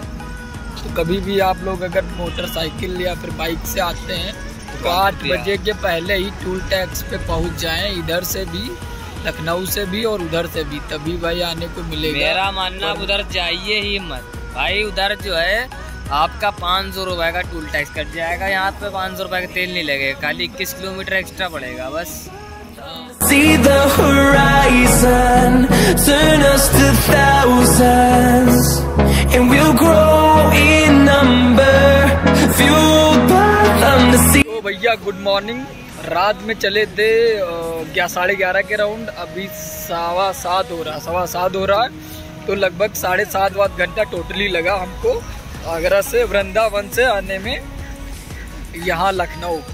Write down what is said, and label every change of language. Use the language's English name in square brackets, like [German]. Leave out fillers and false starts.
[Hindi] तो कभी भी आप लोग अगर मोटरसाइकिल या फिर बाइक से आते हैं तो 8 बजे के पहले ही टूल टैक्स पे पहुंच जाएं, इधर से भी, लखनऊ से भी और उधर से भी, तभी भाई आने को मिलेगा। मेरा मानना उधर जाइए ही मत भाई, उधर जो है आपका 500 रुपए का टूल टैक्स कट जाएगा, यहाँ पे 500 रुपए का तेल नहीं लगेगा, खाली 21 किलोमीटर एक्स्ट्रा पड़ेगा बस। [English] See the horizon, turn us to thousands, and we'll grow in number, fueled by thunder. [Hindi] ओ भैया गुड मॉर्निंग, रात में चले थे 11:30 के राउंड, अभी 7:15 हो रहा, 7:15 हो रहा है, तो लगभग 7.5 घंटा टोटली लगा हमको आगरा से वृंदावन से आने में यहाँ लखनऊ।